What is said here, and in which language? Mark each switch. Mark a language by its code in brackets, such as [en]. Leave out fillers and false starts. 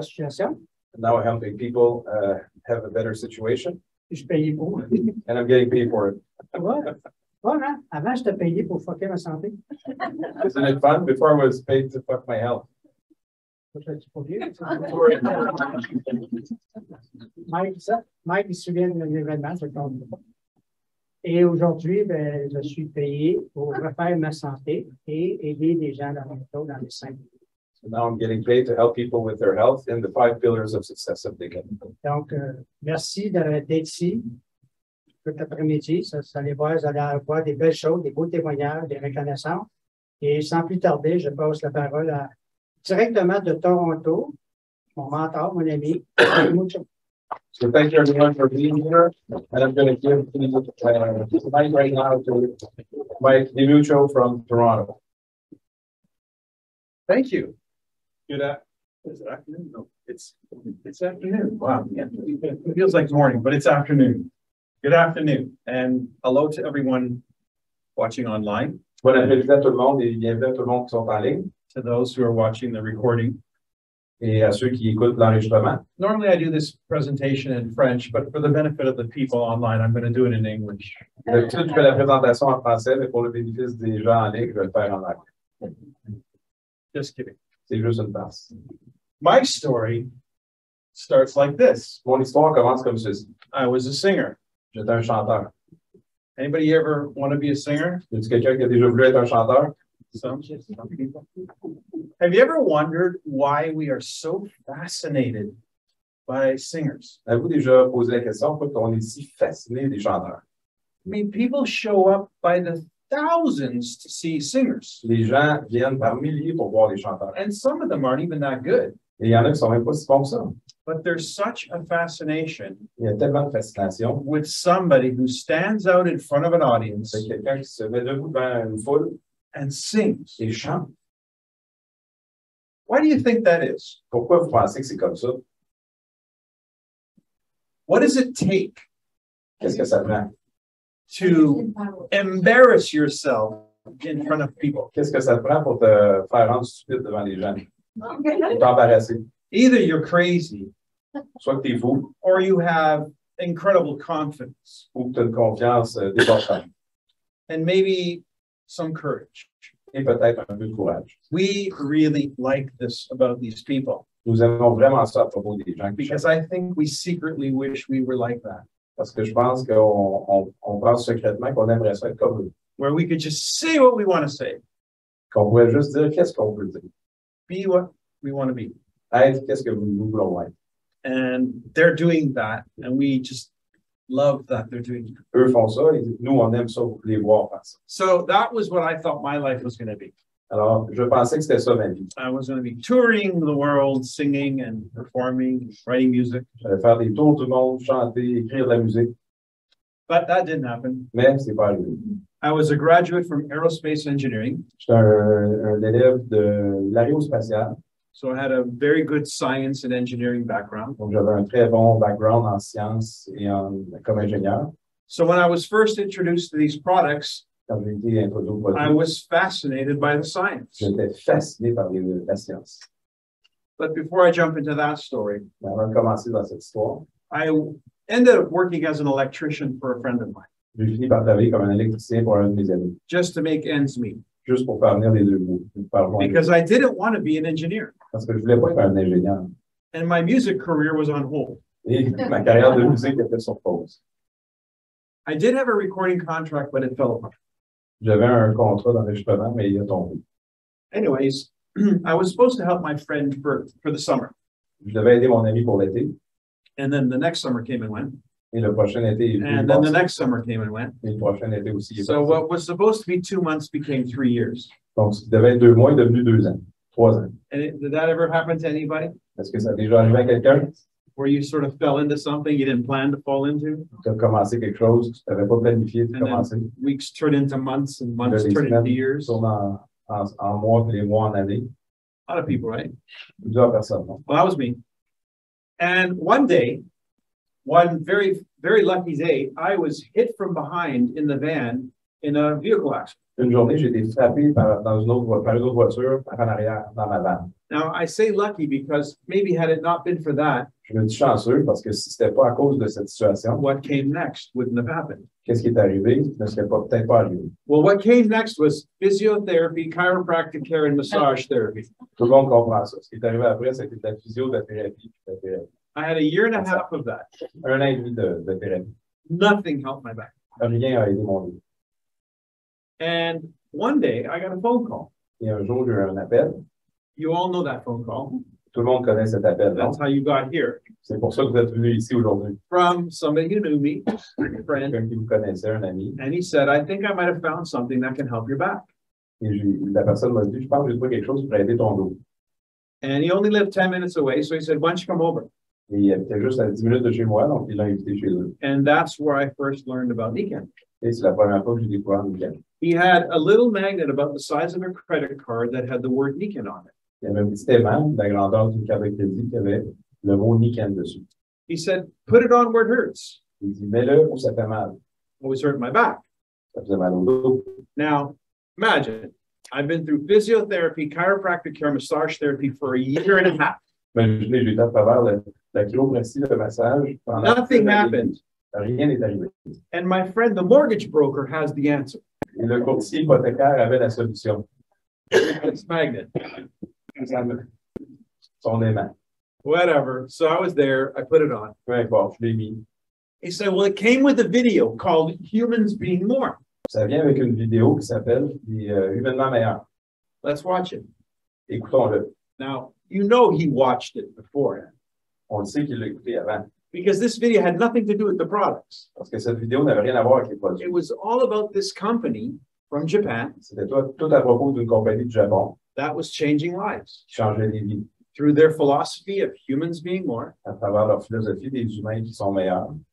[en] now I'm helping people have a better situation. And I'm getting paid for it. [fr] Bon, hein? Avant, je te payais pour fucker ma santé. [en] Isn't it fun? Before I was paid to fuck my health. [fr] Mike, ça? Mike, il se souvient de l'événement, je le compte. Et aujourd'hui, ben, je suis payé pour refaire ma santé et aider les gens dans le monde dans les cinq. So now I'm getting paid to help people with their health in the five pillars of success of the game. Donc, merci d'être ici cet après-midi. Ça les voit, vous allez avoir des belles choses, des beaux témoignages, des reconnaissances. Et sans plus tarder, je passe la parole à, directement de Toronto, mon mentor, mon ami, DiMucho. [en] So thank you everyone for being here. And I'm going to give tonight right now to Mike DiMucho from Toronto. Thank you. Is it afternoon? No, it's afternoon. Wow. Yeah. It feels like it's morning, but it's afternoon. Good afternoon. And hello to everyone watching online. [fr] Bon après à tout le monde et bienvenue à tout le monde qui sont en ligne. [en] To those who are watching the recording. [fr] Et à ceux qui écoutent l'enregistrement. [en] Normally I do this presentation in French, but for the benefit of the people online, I'm going to do it in English. [fr] D'habitude, je fais la présentation en français, mais pour le bénéfice des gens en ligne, je vais le faire en anglais. [en] Just kidding. [fr] C'est juste une passe. [en] My story starts like this. [fr] Mon histoire commence comme ceci. [en] I was a singer. [fr] J'étais un chanteur. [en] Anybody ever want to be a singer? [fr] Est-ce quelqu'un qui a déjà voulu être un chanteur? [en] Some people. Have you ever wondered why we are so fascinated by singers? [fr] Avez-vous déjà posé la question pourquoi on est si fasciné des chanteurs? [en] I mean, people show up by the thousands to see singers. [fr] Les gens viennent par milliers pour voir les chanteurs. [en] And some of them aren't even that good. [fr] Et il y en a qui sont même pas si bons que ça. [en] But there's such a fascination. [fr] Il y a tellement de fascination. [en] With somebody who stands out in front of an audience. [fr] Avec quelqu'un qui se met debout devant une foule. [en] And sings. [fr] Et chante. [en] Why do you think that is? [fr] Pourquoi vous pensez que c'est comme ça? [en] What does it take? [fr] Qu'est-ce que ça prend? [en] To embarrass yourself in front of people. [fr] Qu'est-ce que ça prend pour te faire rendre stupide devant les gens? Pour t'embarrasser. [en] Either you're crazy. [fr] Soit que t'es fou. [en] Or you have incredible confidence. [fr] Ou que t'as une confiance débordante. [en] And maybe some courage. [fr] Et peut-être un peu de courage. [en] We really like this about these people. [fr] Nous aimons vraiment ça à propos des gens. [en] Because I think we secretly wish we were like that. [fr] Parce que je pense qu'on pense secrètement qu'on aimerait ça être comme eux. [en] Where we could just say what we want to say. [fr] Qu'on pourrait juste dire qu'est-ce qu'on veut dire. [en] Be what we want to be. [fr] Être qu'est-ce que nous voulons être. [en] And they're doing that, and we just love that they're doing it. [fr] Eux font ça, et nous on aime ça les voir faire ça. [en] So that was what I thought my life was going to be. [fr] Alors, je pensais que c'était ça ma vie. [en] I was going to be touring the world, singing and performing, writing music. [fr] J'allais faire des tours du monde, chanter, écrire de la musique. [en] But that didn't happen. [fr] Mais c'est pas arrivé. [en] I was a graduate from aerospace engineering. [fr] J'étais un élève de l'aérospatial. [en] So I had a very good science and engineering background. [fr] Donc j'avais un très bon background en sciences et en comme ingénieur. [en] So when I was first introduced to these products, I was fascinated by the science. [fr] J'étais fasciné par la science. [en] But before I jump into that story, [fr] avant de commencer dans cette histoire, [en] I ended up working as an electrician for a friend of mine. [fr] J'ai fini par travailler comme un électricien pour un de mes amis. [en] Just to make ends meet. [fr] Juste pour faire venir les deux bouts. [en] Because I didn't want to be an engineer. [fr] Parce que je voulais pas être un ingénieur. [en] And my music career was on hold. [fr] Et ma carrière de musique était sur pause. [en] I did have a recording contract, but it fell apart. [fr] J'avais un contrat d'enregistrement, mais il est tombé. [en] Anyways, I was supposed to help my friend for the summer. [fr] Je devais aider mon ami pour l'été. [en] And then the next summer came and went. [fr] Et le prochain été. [en] And then the next summer came and went. [fr] Et le prochain été aussi. [en] So what was supposed to be 2 months became 3 years. [fr] Donc, ce qui devait être 2 mois est devenu 2 ans, 3 ans. [en] And it, did that ever happen to anybody? [fr] Est-ce que ça a déjà arrivé à quelqu'un? [en] Where you sort of fell into something you didn't plan to fall into. [fr] T'as commencé quelque chose que tu n'avais pas planifié de commencer. [en] Weeks turn into months and months turn into years. [fr] En mois, puis les mois en années. [en] A lot of people, right? [fr] Plusieurs personnes. Non? [en] Well, that was me. And one day, one very, very lucky day, I was hit from behind in the van in a vehicle accident. [fr] Une journée, j'ai été frappé par une autre voiture par en arrière dans ma van. [en] Now, I say lucky because maybe had it not been for that, [fr] je me dis chanceux parce que si c'était pas à cause de cette situation, [en] what came next wouldn't have happened. [fr] Qu'est-ce qui est arrivé ne serait pas, peut-être pas arrivé. [en] Well, what came next was physiotherapy, chiropractic care, and massage therapy. [fr] Tout le monde comprend ça. Ce qui est arrivé après, c'était de la physiothérapie. [en] I had a year and a half of that. [fr] Un an et demi de thérapie. [en] Nothing helped my back. [fr] rien a aidé mon vie. [en] And one day, I got a phone call. [fr] Et un jour, j'ai eu un appel. [en] You all know that phone call. [fr] Tout le monde connaît cet appel, non? [en] That's how you got here. [fr] C'est pour ça que vous êtes venu ici aujourd'hui. [en] From somebody who knew me, a friend. [fr] Quelqu'un qui vous connaissait, un ami. [en] And he said, I think I might have found something that can help your back. [fr] Et la personne m'a dit, je pense que j'ai trouvé quelque chose pour aider ton dos. [en] And he only lived 10 minutes away, so he said, why don't you come over? [fr] Et il était juste à 10 minutes de chez moi, donc il l'a invité chez eux. [en] And that's where I first learned about Nikan. [fr] Et c'est la première fois que j'ai découvert Nikan. [en] He had a little magnet about the size of a credit card that had the word Nikan on it. [fr] Il y avait un petit aimant de la grandeur d'une carte de crédit qui avait le mot Nikan dessus. [en] He said, put it on where it hurts. [fr] Il dit, mets-le où ça fait mal. [en] Always hurt my back. [fr] Ça faisait mal au dos. [en] Now, imagine, I've been through physiotherapy, chiropractic care, massage therapy for a year and a half. [fr] Imaginez, j'ai été à travers la chiropraxie, le massage. [en] Nothing happened. [fr] Rien n'est arrivé. [en] And my friend, the mortgage broker, has the answer. [fr] Et le courtier hypothécaire avait la solution. [en] It's magnet. [fr] Son aimant. [en] Whatever. So I was there. I put it on. [fr] Peu importe, je l'ai mis. [en] He said, well, it came with a video called Humans Being More. [fr] Ça vient avec une vidéo qui s'appelle The Événement Meilleur. [en] Let's watch it. [fr] Écoutons-le. [en] Now, you know he watched it before. [fr] On sait qu'il l'a écouté avant. [en] Because this video had nothing to do with the products. [fr] Parce que cette vidéo n'avait rien à voir avec les produits. [en] It was all about this company from Japan. [fr] C'était tout à propos d'une compagnie du Japon. [en] That was changing lives. [fr] Qui changeait des vies. [en] Through their philosophy of humans being more. [fr] À travers leur philosophie des humains qui sont meilleurs.